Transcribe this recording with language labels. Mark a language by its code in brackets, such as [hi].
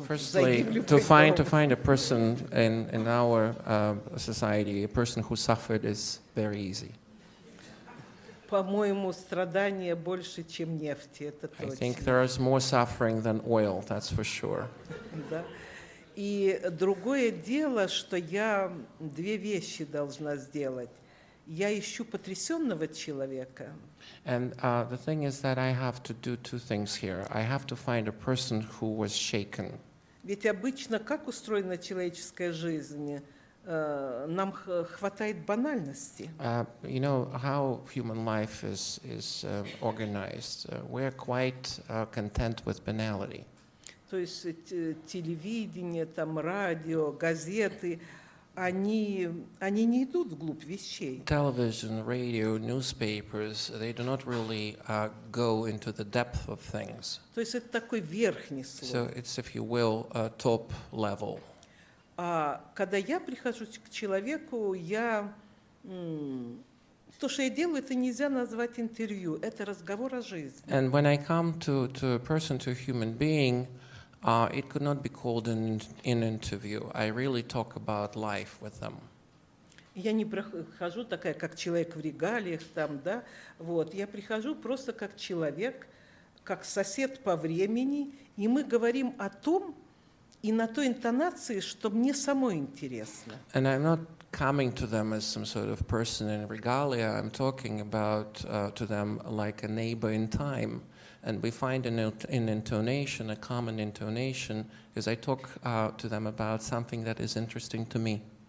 [en] Firstly, to find a person in our society, a person who suffered, is very easy. [ru] По-моему, страдания больше, чем нефти. Это точно. [en] I think there is more suffering than oil. That's for sure. [ru] Да. И другое дело, что я две вещи должна сделать. Я ищу потрясённого человека. [en] And the thing is that I have to do two things here. I have to find a person who was shaken. [ru] Ведь обычно как устроена человеческая жизнь? Нам хватает банальности. [en] You know how human life is organized. We're quite content with banality. [ru] То есть телевидение, там радио, газеты. Они не идут вглубь вещей. [en] Television, radio, newspapers, they do not really go into the depth of things. [ru] То есть это такой верхний слой. [en] So it's, if you will, a top level. [ru] А когда я прихожу к человеку, я то, что я делаю, это нельзя назвать интервью, это разговор о жизни. [en] And when I come to a person, to a human being, it could not be called an interview. I really talk about life with them. [ru] Я не прихожу такая, как человек в регалиях там, да? Вот, я прихожу просто как человек, как сосед по времени, и мы говорим о том и на той интонации, что мне самой интересно. [en] And I'm not coming to them as some sort of person in regalia. I'm talking about to them like a neighbor in time. And we find an intonation, a common intonation, as I talk to them about something that is interesting to me.